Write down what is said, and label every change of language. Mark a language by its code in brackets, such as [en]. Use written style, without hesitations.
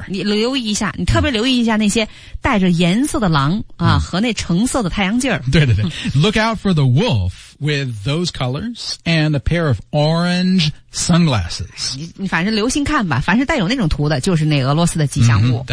[zh] 你留意一下你特别留意一下那些带着颜色的狼啊和那橙色的太阳镜。对对对。 [en] Look out for the wolf with those colors and a pair of orange sunglasses. [zh] 你反正留心看吧凡是带有那种图的就是那俄罗斯的吉祥物。